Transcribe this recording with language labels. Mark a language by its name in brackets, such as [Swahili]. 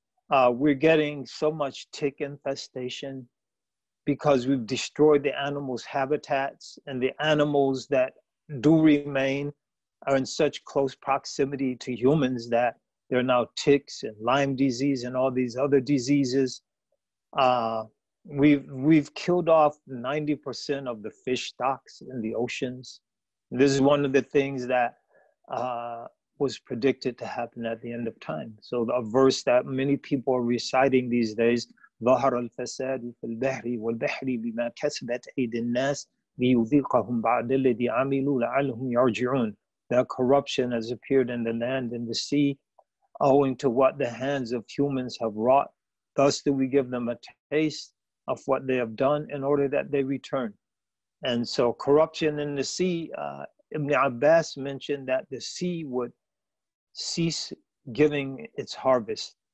[English] We're getting so much tick infestation because we've destroyed the animals' habitats, and the animals that do remain are in such close proximity to humans that there are now ticks and Lyme disease and all these other diseases. We've killed off 90% of the fish stocks in the oceans. This is one of the things that was predicted to happen at the end of time. So a verse that many people are reciting these days, [Arabic] ظَهَرَ الْفَسَادُ فِي الْبَحْرِ وَالْبَحْرِ بِمَا كَسَبَتْ أَيْدِ النَّاسِ لِيُذِيقَهُمْ بَعْدَ الَّذِي عَمِلُوا لَعَلَّهُمْ يَرْجِعُونَ. [English] That corruption has appeared in the land and the sea owing to what the hands of humans have wrought. Thus do we give them a taste of what they have done in order that they return. And so corruption in the sea, Ibn Abbas mentioned that the sea would cease giving its harvest.